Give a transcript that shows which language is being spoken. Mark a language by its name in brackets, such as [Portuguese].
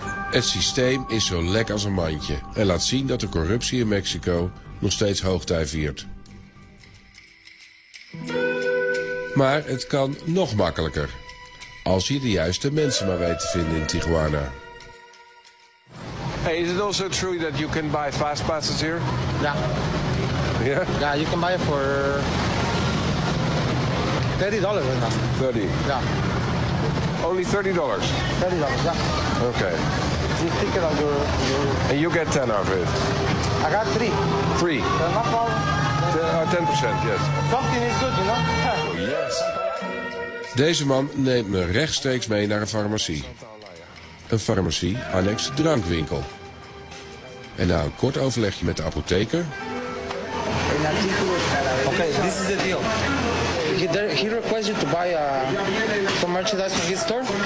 [Dutch] Het systeem is zo lek als een mandje en laat zien dat de corruptie in Mexico nog steeds hoogtij viert. Maar het kan nog makkelijker, als je de juiste mensen maar weet te vinden in Tijuana. [English] Hey, is it also true that you can buy fast passes here? Yeah. Yeah? Yeah, you can buy it for $30 right now. 30? Yeah. Only $30? $30, yeah. Okay. You take it on your... And you get 10 of it? I got 3. 3? No problem. 10%, yes. Something is good, you know? Yes. [Dutch] Deze man neemt me rechtstreeks mee naar een farmacie. Een farmacie annex drankwinkel. En na een kort overlegje met de apotheker... Oké, dit is de deal. [English] He requests you to buy some merchandise from his store.